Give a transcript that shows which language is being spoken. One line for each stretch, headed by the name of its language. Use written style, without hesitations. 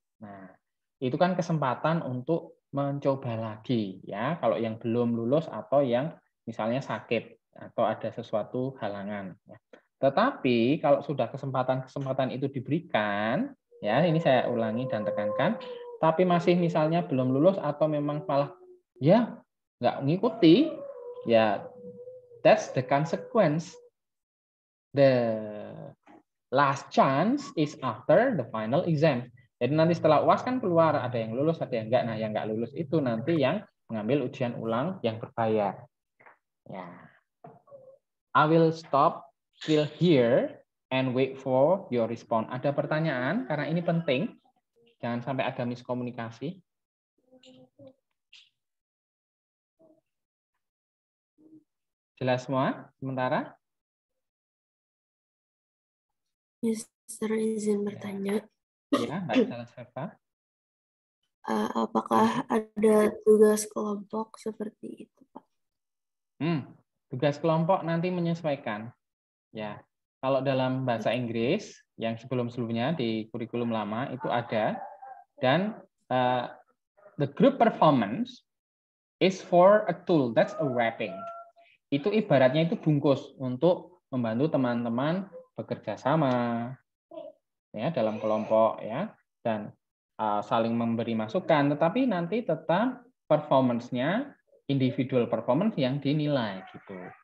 Indonesian: Nah, itu kan kesempatan untuk mencoba lagi ya kalau yang belum lulus atau yang misalnya sakit atau ada sesuatu halangan. Tetapi kalau sudah kesempatan-kesempatan itu diberikan, ya ini saya ulangi dan tekankan, tapi masih misalnya belum lulus atau memang malah ya nggak ngikuti, ya that's the consequence.
English: The last chance is after the final exam.
Indonesian: Jadi nanti setelah UAS kan keluar, ada yang lulus, ada yang enggak. Nah, yang enggak lulus itu nanti yang mengambil ujian ulang yang berbayar. Ya.
English: I will stop till here and wait for your response.
Indonesian: Ada pertanyaan? Karena ini penting. Jangan sampai ada miskomunikasi. Jelas semua sementara? Mister, izin bertanya. Ya, Mbak Tala Serva. Apakah ada tugas kelompok seperti itu, Pak? Tugas kelompok nanti menyesuaikan. Ya, kalau dalam bahasa Inggris yang sebelum-sebelumnya di kurikulum lama itu ada.
English: Dan the group performance is for a tool, that's a wrapping.
Indonesian: Itu ibaratnya itu bungkus untuk membantu teman-teman bekerja sama ya dalam kelompok ya dan saling memberi masukan, tetapi nanti tetap performance-nya individual performance yang dinilai gitu.